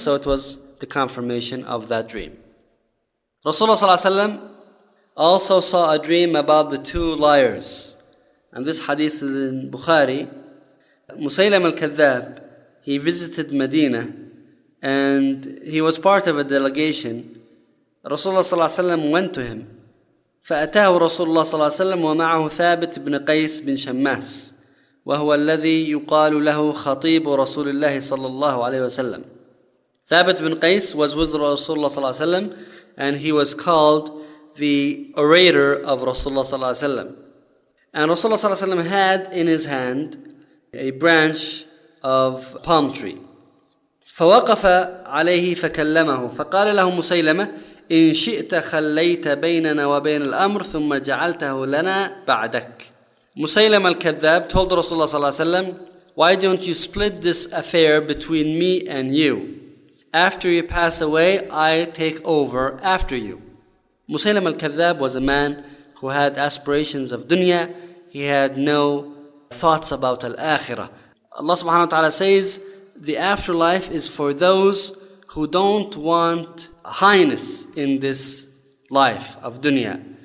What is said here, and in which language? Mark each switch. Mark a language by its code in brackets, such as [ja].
[en] So it was the confirmation of that dream. Rasulullah صلى الله عليه وسلم also saw a dream about the two liars. And this hadith is in Bukhari. Musaylam al-Kadhab, he visited Medina and he was part of a delegation. Rasulullah صلى الله عليه وسلم went to him. [ar] فأتاه رسول الله صلى الله عليه وسلم ومعه ثابت بن قيس بن شماس وهو الذي يقال له خطيب رسول الله صلى الله عليه وسلم. [en] ثابت بن قيس was with رسول الله صلى الله عليه وسلم and he was called the orator of رسول الله صلى الله عليه وسلم. And رسول الله صلى الله عليه وسلم had in his hand a branch of palm tree. [ar] فوقف عليه فكلمه فقال له مسيلمة إن شئت خليت بيننا وبين الأمر ثم جعلته لنا بعدك. [en] مسيلم الكذاب told Rasulullah صلى الله عليه وسلم, why don't you split this affair between me and you? After you pass away, I take over after you. مسيلم الكذاب was a man who had aspirations of dunya. He had no thoughts about al-akhirah. Allah subhanahu wa ta'ala says, the afterlife is for those who don't want highness in this life of dunya.